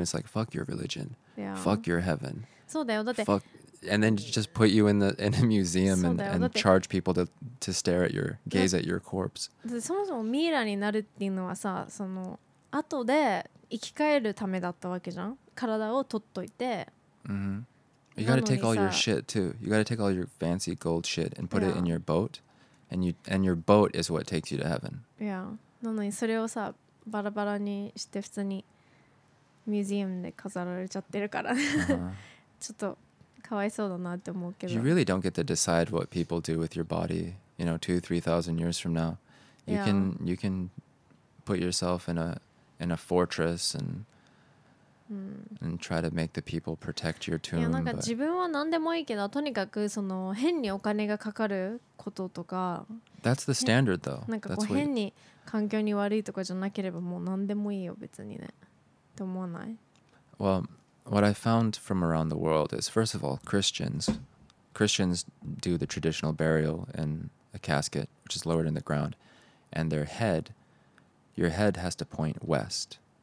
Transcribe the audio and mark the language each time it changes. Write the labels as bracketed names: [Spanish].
[English] It's like fuck your religion. Yeah. Fuck your heaven. [Japanese] そうだよ、だって。 [English] Fuck. And then just put you in a museum and charge people to stare at your gaze at your corpse. [Japanese] だってそもそもミイラになるっていうのはさ、その後で生き返るためだったわけじゃん。体を取っといて。 [English] Mm-hmm. You gotta take all your shit too. You gotta take all your fancy gold shit and put it in your boat. And your boat is what takes you to heaven. Yeah. [Japanese] なのにそれをさ、バラバラにして普通にミュージアムで飾られちゃってるから、ちょっとかわいそうだなって思うけど。 [English] You really don't get to decide what people do with your body, you know, 2,000-3,000 years from now. You can, you can put yourself in a fortress and, and try to make the people protect your tomb. [Japanese] いや、なんか自分は何でもいいけど、とにかくその変にお金がかかることとか。 [English] That's the standard, though. [Japanese] なんかこう変に環境に悪いとかじゃなければもう何でもいいよ別にね。と思わない。 [English] Well, what I found from around the world is, first of all, Christians do the traditional burial in a casket, which is lowered in the ground, and their head, your head has to point west.